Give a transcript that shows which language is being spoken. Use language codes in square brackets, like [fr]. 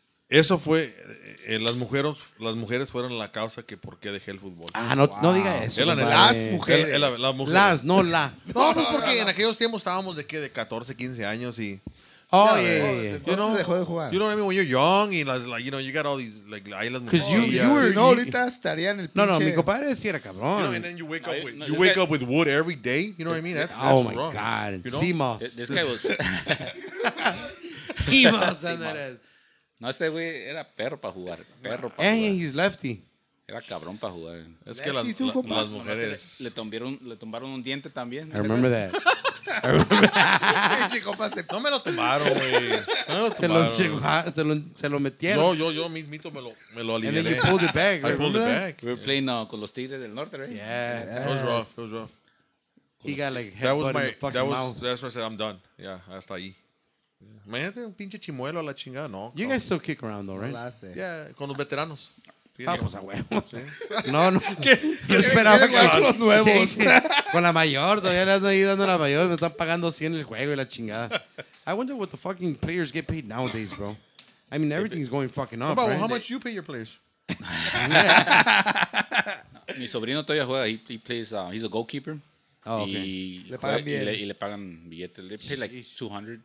[es] Eso fue, las mujeres fueron la causa que por qué dejé el fútbol. Ah, no, wow. No diga eso. Eran las mujeres. Las mujeres. Las, no la. No, pues porque en aquellos tiempos estábamos de qué, de 14, 15 años y... [en] Oh, yeah. You know, [es] dejó de jugar. [en] You know what I mean? When you're young and like, you know, you got all these, like, islands. Because you were, [es] no, ahorita estaría en el pinche. No, mi compadre sí era cabrón. [en] You know, and then you wake up with, you wake up with wood every day. You know what I mean? That's oh, my rough. God. You know? Sea moss. This guy was. Sea moss. [es] No, ese güey era perro para jugar. Perro para jugar. [en] And he's lefty. [es] Era cabrón para jugar. Es que las mujeres. Le tumbaron un diente también. [en] I remember that. [es] No me lo tomaron, güey. Se lo metieron. Yo mismito me lo alineé. [en] And then you pulled it back. I pulled it back. We were playing con los Tigres del Norte, right? Yeah. It was rough. It was rough. He got like headbutt in the fucking mouth. That's where I said, I'm done. Yeah, [es] hasta ahí. Imagínate un pinche chimuelo a la chingada, no. [en] You guys still kick around, though, right? Yeah, [es] con los veteranos. Vamos a huevo. No. ¿Qué esperaba con los nuevos? Con la mayor, todavía le andan ahí dando a la mayor. Me están pagando 100 el juego y la chingada. [en] I wonder what the fucking players get paid nowadays, bro. I mean, everything's going fucking up, bro. Right? How much you pay your players? [es] Mi sobrino todavía juega. [en] He plays, he's a goalkeeper. Oh, okay. [es] Le pagan bien. Y le pagan billetes. [en] They pay like $200.